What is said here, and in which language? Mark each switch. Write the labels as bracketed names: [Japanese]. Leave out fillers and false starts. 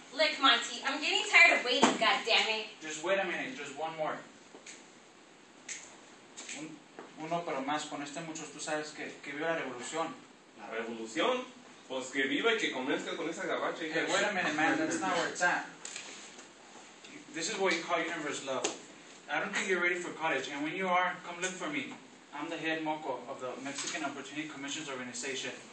[English] Look, Monty, I'm getting tired of waiting, goddammit. Just wait a minute, just one more. [Spanish] Uno, pero más, con este muchos, tú sabes que viva la revolución. ¿La revolución? Pues que viva y que comience con esa gabacha. [English] Hey, wait a minute, man, that's not where it's at. This is what you call universe love. I don't think you're ready for college, and when you are, come look for me. I'm the head moco of the Mexican Opportunity Commission's organization.